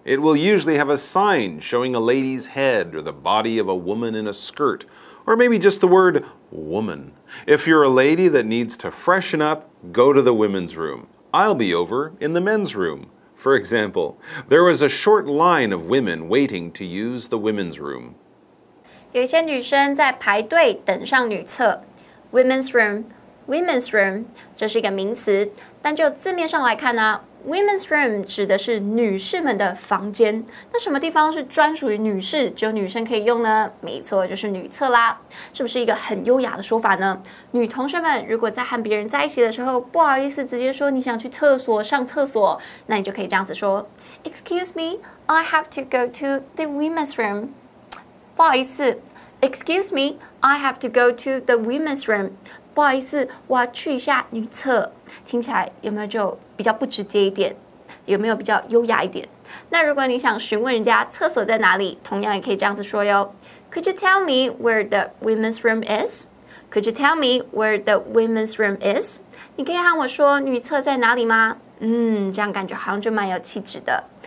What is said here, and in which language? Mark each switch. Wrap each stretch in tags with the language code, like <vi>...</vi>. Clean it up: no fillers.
<en>It will usually have a sign showing a lady's head or the body of a woman in a skirt, or maybe just the word woman. If you're a lady that needs to freshen up, go to the women's room. I'll be over in the men's room. For example, there was a short line of women waiting to use the women's room.</en> <zh>有些女生在排队等上女厕。 Women's room. Women's room 这是一个名词，但就字面上来看呢、啊、，Women's room 指的是女士们的房间。那什么地方是专属于女士，只有女生可以用呢？没错，就是女厕啦。是不是一个很优雅的说法呢？女同学们如果在和别人在一起的时候，不好意思直接说你想去厕所上厕所，那你就可以这样子说 ：</zh> <en>Excuse me, I have to go to the women's room.</en> <zh>不好意思</zh> <en>，Excuse me, I have to go to the women's room.</en> <zh>不好意思，我要去一下女厕。听起来有没有就比较不直接一点？有没有比较优雅一点？那如果你想询问人家厕所在哪里，同样也可以这样子说哟。</zh> <en>Could you tell me where the women's room is? Could you tell me where the women's room is?</en> <zh>你可以和我说女厕在哪里吗？这样感觉好像就蛮有气质的。</zh>